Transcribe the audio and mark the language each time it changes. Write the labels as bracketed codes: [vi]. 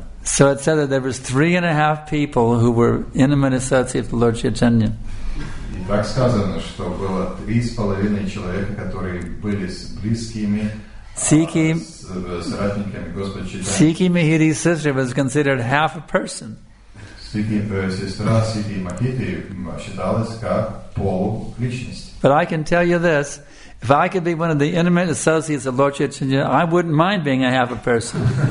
[en] So it said that there was 3.5 people who were intimate associates of the Lord Chaitanya. [ru] Так сказано, что было 3.5 человека, которые были близкими соратниками Господа Чайтаньи. [en] Sikhi Mahiti's sister was considered half a person. [ru] Сестра Сити Махити считалась как полуличность. [en] But I can tell you this, If I could be one of the intimate associates of Lord Chaitanya, I wouldn't mind being a half a person.